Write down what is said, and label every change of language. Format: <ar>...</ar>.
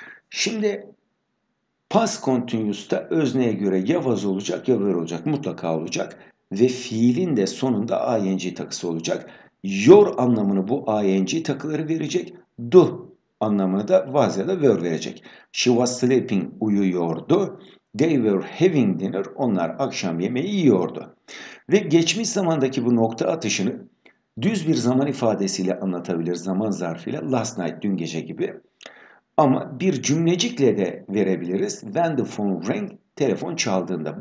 <tr>Şimdi past continuous'ta özneye göre ya was olacak ya were olacak, mutlaka olacak ve fiilin de sonunda ing takısı olacak. Your anlamını bu ing takıları verecek, do anlamını da was ya da were verecek.</tr> <en>She was sleeping,</en> <tr>uyuyordu.</tr> <en>They were having dinner,</en> <tr>onlar akşam yemeği yiyordu. Ve geçmiş zamandaki bu nokta atışını düz bir zaman ifadesiyle anlatabilir, zaman zarfıyla</tr> <en>last night,</en> <tr>dün gece gibi. Ama bir cümlecikle de verebiliriz.</tr> <en>When the phone rang,</en> <tr>telefon çaldığında.</tr>